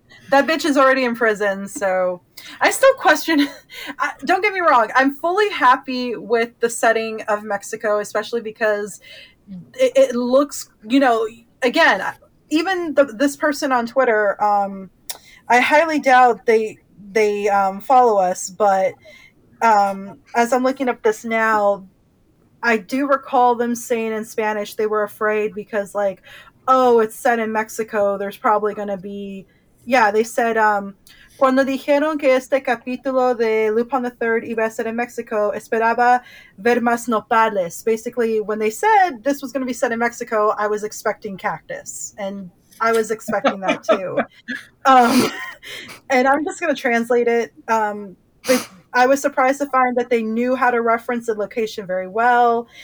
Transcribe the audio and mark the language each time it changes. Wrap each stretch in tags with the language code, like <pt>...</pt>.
<en>That bitch is already in prison, so I still question, don't get me wrong, I'm fully happy with the setting of Mexico, especially because it looks, you know, again, even this person on Twitter, I highly doubt they follow us, but as I'm looking up this now, I do recall them saying in Spanish they were afraid because, like, oh, it's set in Mexico. There's probably going to be... Yeah, they said,</en> <es>cuando dijeron que este capítulo de Lupin the Third iba a ser en Mexico, esperaba ver más nopales.</es> <en>Basically, when they said this was going to be set in Mexico, I was expecting cactus. And I was expecting that too. And I'm just going to translate it. I was surprised to find that they knew how to reference the location very well.</en>